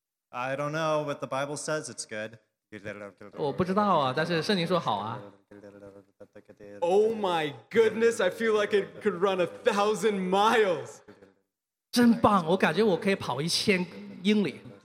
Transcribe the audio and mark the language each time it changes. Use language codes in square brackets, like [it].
[en] I don't know, but the Bible says it's good. [zh] 我不知道啊,但是圣经说好啊。 [en] Oh my goodness, I feel like it could run 1,000 miles. [zh] 真棒,我感觉我可以跑1,000英里。